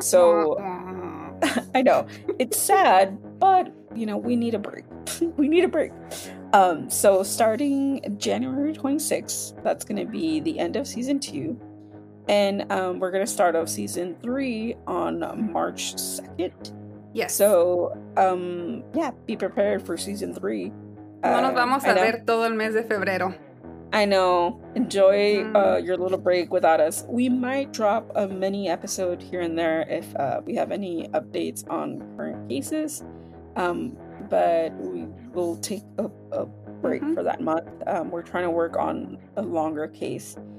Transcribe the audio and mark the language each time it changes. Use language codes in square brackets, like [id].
[en] so... I know. It's sad, but you know, we need a break. We need a break. So starting January 26th, that's going to be the end of season 2. And we're going to start off season 3 on March 2nd. Yes. So, yeah, be prepared for season 3. [es] No nos vamos a ver todo el mes de febrero. [en] I know. Enjoy your little break without us. We might drop a mini episode here and there if we have any updates on current cases. But we will take a break for that month. We're trying to work on a longer case.